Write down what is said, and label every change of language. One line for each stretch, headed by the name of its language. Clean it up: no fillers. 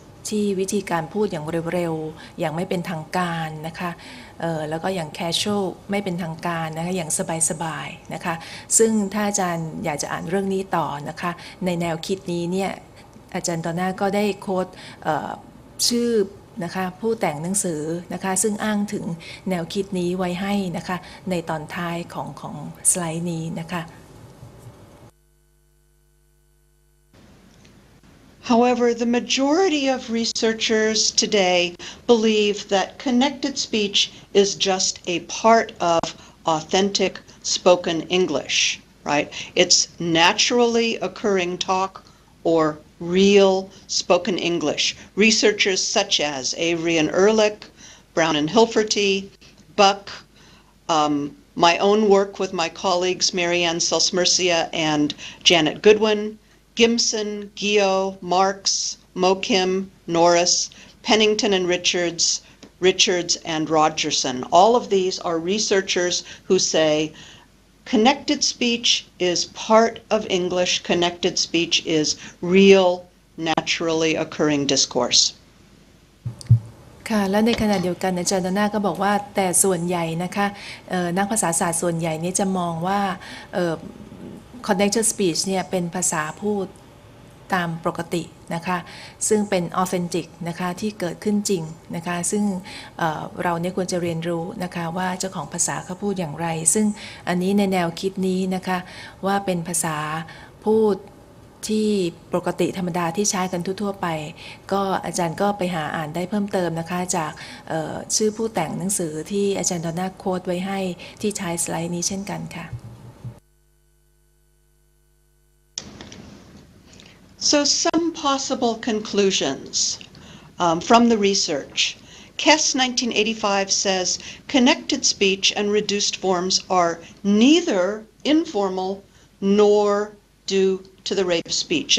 Thai: ที่วิธีการพูดอย่างเร็วๆอย่างไม่เป็นทางการนะคะแล้วก็อย่าง casual ไม่เป็นทางการนะคะอย่างสบายๆนะคะซึ่งถ้าอาจารย์อยากจะอ่านเรื่องนี้ต่อนะคะในแนวคิดนี้เนี่ยอาจารย์ดอน่าก็ได้โค้ดชื่อนะคะผู้แต่งหนังสือนะคะซึ่งอ้างถึงแนวคิดนี้ไว้ให้นะคะในตอนท้ายของสไลด์นี้นะคะ
English: However, the majority of researchers today believe that connected speech is just a part of authentic spoken English, right? It's naturally occurring talk or real spoken English. Researchers such as Avery and Ehrlich, Brown and Hilferty, Buck, my own work with my colleagues Marianne Sulzmercia and Janet Goodwin, Gimson, Gio, Marx, Mo Kim, Norris, Pennington and Richards and Rogerson. All of these are researchers who say connected speech is part of English. Connected speech is real, naturally occurring discourse.
Thai: ค่ะและในขณะเดียวกันอาจารย์ดอน่าก็บอกว่าแต่ส่วนใหญ่นะคะนักภาษาศาสตร์ส่วนใหญ่นี่จะมองว่าconnected speech เนี่ยเป็นภาษาพูดตามปกตินะคะซึ่งเป็น authentic นะคะที่เกิดขึ้นจริงนะคะซึ่ง เรานี่ควรจะเรียนรู้นะคะว่าเจ้าของภาษาเขาพูดอย่างไรซึ่งอันนี้ในแนวคิดนี้นะคะว่าเป็นภาษาพูดที่ปกติธรรมดาที่ใช้กันทั่วไปก็อาจารย์ก็ไปหาอ่านได้เพิ่มเติมนะคะจากชื่อผู้แต่งหนังสือที่อาจารย์ดอน่าโค้ดไว้ให้ที่ใช้สไลด์นี้เช่นกันค่ะ
English: So some possible conclusions from the research. Kess 1985 says connected speech and reduced forms are neither informal nor due to the rate of speech.